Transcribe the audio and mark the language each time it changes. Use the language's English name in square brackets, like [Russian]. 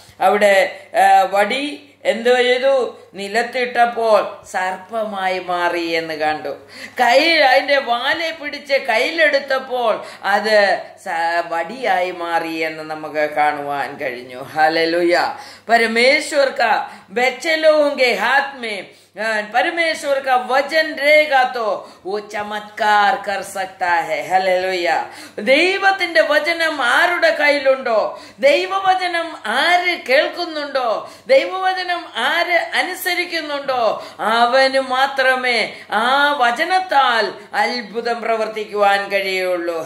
[Malayalam] അവിടെ വടി എന്തു ചെയ്തു? നിലത്തിട്ടപ്പോൾ സർപ്പമായി മാറി എന്ന് കണ്ടു. കൈ അതിന്റെ വാലെ പിടിച്ച് കയ്യിലെടുത്തപ്പോൾ അത് വടിയായി മാറി എന്ന് നമുക്ക് കാണുവാൻ കഴിഞ്ഞു. ഹല്ലേലൂയ. [Hindi] പരമേശ്വർ കാ ബെച്ചലോങ്കേ ഹാത്മേ परमेश्वर का वचन रहेगा तो वो चमत्कार कर सकता है. हालेलुया. [Malayalam] ദൈവത്തിന്റെ വചനം ആരുടെ കയ്യിലുണ്ടോ, ദൈവവചനം ആര് കേൾക്കുന്നുണ്ടോ, ദൈവവചനം ആര് അനുസരിക്കുന്നുണ്ടോ, അവന് മാത്രമേ ആ വചനത്താൽ അത്ഭുതം പ്രവർത്തിക്കുവാൻ കഴിയുള്ളൂ.